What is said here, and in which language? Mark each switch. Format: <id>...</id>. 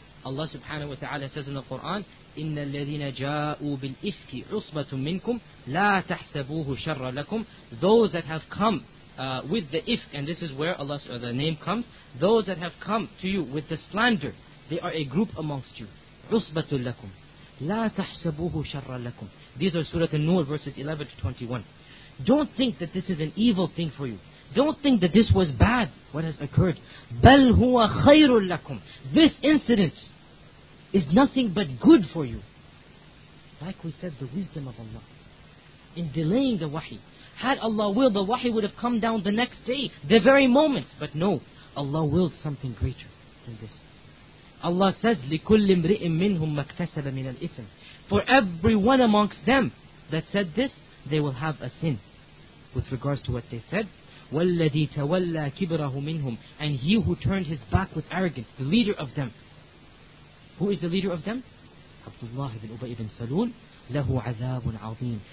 <en>Allah subhanahu wa ta'ala says in the Quran,</en> <ar>إِنَّ الَّذِينَ جَاءُوا بِالْإِفْكِ عُصْبَةٌ مِّنْكُمْ لَا تَحْسَبُوهُ شَرَّ لَكُمْ.</ar> <en>Those that have come with the ifk, and this is where Allah's the name comes, those that have come to you with the slander, they are a group amongst you.</en> <ar>عُصْبَةٌ لَكُمْ لَا تَحْسَبُوهُ شَرَّ لَكُمْ.</ar> <en>These are Surah An-Nur verses 11 to 21. Don't think that this is an evil thing for you. Don't think that this was bad, what has occurred.</en> <ar>بَلْ هُوَ خَيْرٌ لَكُمْ.</ar> <en>This incident is nothing but good for you. Like we said, the wisdom of Allah in delaying the wahi. Had Allah willed, the wahi would have come down the next day, the very moment. But no, Allah willed something greater than this. Allah says,</en> <ar>لِكُلِّ امْرِئٍ مِّنْهُمْ مَكْتَسَبَ مِنَ الْإِثْمِ.</ar> <en>For everyone amongst them that said this, they will have a sin with regards to what they said.</en> <ar>وَالَّذِي تَوَلَّى كِبْرَهُ مِنْهُمْ.</ar> <en>And he who turned his back with arrogance, the leader of them. Who is the leader of them?</en> <ar>Abdullah ibn Ubay ibn Salul. لَهُ عَذَابٌ عَظِيمٌ.</ar>